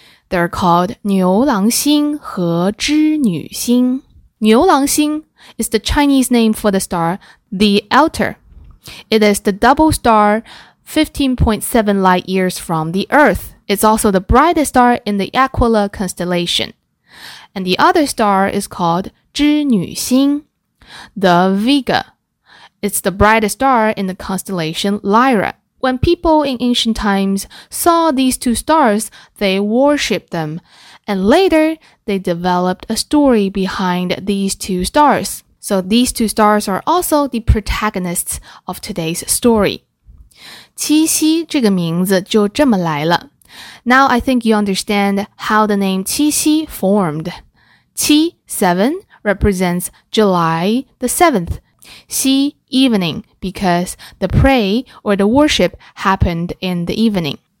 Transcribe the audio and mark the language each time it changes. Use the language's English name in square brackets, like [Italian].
[English] They're called 牛郎星和织女星牛郎星 is the Chinese name for the star The Outer It is the double star 15.7 light years from the Earth It's also the brightest star in the Aquila constellation And the other star is called 织女星 The Vega It's the brightest star in the constellation Lyra. When people in ancient times saw these two stars, they worshipped them. And later, they developed a story behind these two stars. So these two stars are also the protagonists of today's story. [Chinese] 七夕这个名字就这么来了。 [English] Now I think you understand how the name 七夕formed. 七, 7, represents July the 7th. 夕 evening, because the pray or the worship happened in the evening.